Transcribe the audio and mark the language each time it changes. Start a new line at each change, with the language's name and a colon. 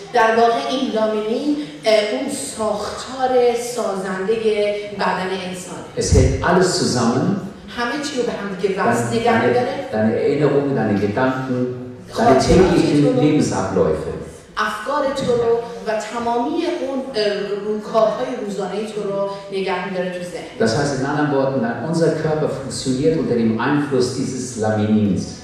Persian: در واقع این لامینین اون ساختار سازنده بدن انسان است.
German: Es hält alles zusammen.
Persian: همه چی رو به هم دیگه وصل نگه می‌داره.
German: Deine Erinnerungen, deine Gedanken, deine täglichen Lebensabläufe.
Persian: افکار تو رو و تمامی اون روکارهای روزانه تو رو نگه می‌داره تو ذهن.
German: Das heißt in anderen Worten, dein unser Körper funktioniert unter dem Einfluss dieses Laminins.